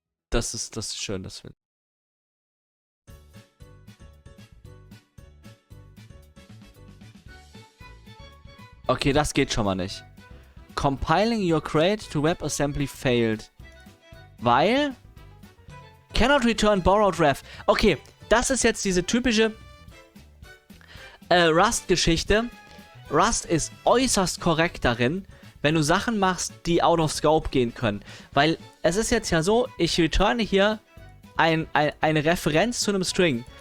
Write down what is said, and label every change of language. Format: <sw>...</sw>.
<de>Das ist schön, das finde ich. Okay, das geht schon mal nicht.</de> <en>Compiling your crate to WebAssembly failed.</en> <de>Weil...</de> <en>Cannot return borrowed ref.</en> <de>Okay, das ist jetzt diese typische Rust-Geschichte. Rust ist äußerst korrekt darin, wenn du Sachen machst, die</de> <en>out of scope</en> <de>gehen können. Weil es ist jetzt ja so, ich returne hier eine Referenz zu einem String.</de>